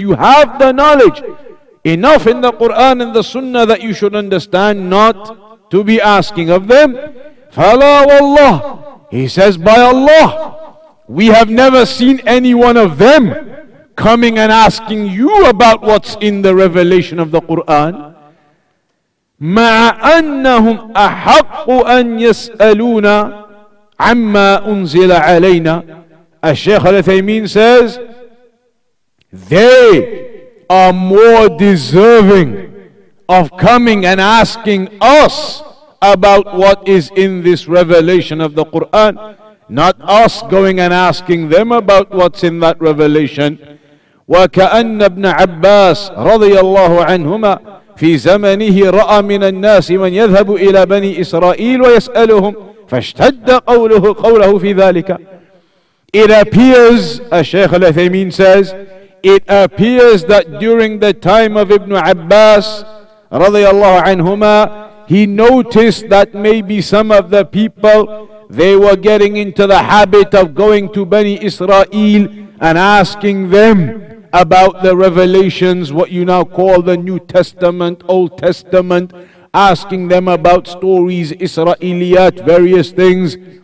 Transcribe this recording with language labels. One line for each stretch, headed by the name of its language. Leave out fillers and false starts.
English: You have the knowledge enough in the Quran and the Sunnah that you should understand not to be asking of them.
Arabic: Fala wallah,
English: he says, by Allah, we have never seen any one of them coming and asking you about what's in the revelation of the Quran.
Arabic: مع أنهم أحق أن يسألون عما أنزل علينا.
English: الشيخ الثيمين says, they are more deserving of coming and asking us about what is in this revelation of the Quran, not us going and asking them about what's in that revelation.
Arabic: وكأن ابن عباس رضي الله عنهما في زمنه رأى من الناس من يذهب إلى بني إسرائيل ويسألهم فاشتد قوله في ذلك.
English: It appears, Shaykh Al-Uthaymeen says, it appears that during the time of Ibn Abbas
Arabic: رضي الله عنهما,
English: he noticed that maybe some of the people, they were getting into the habit of going to Bani Israel and asking them about the revelations, what you now call the New Testament, Old Testament, asking them about stories, Israeliyat, various things.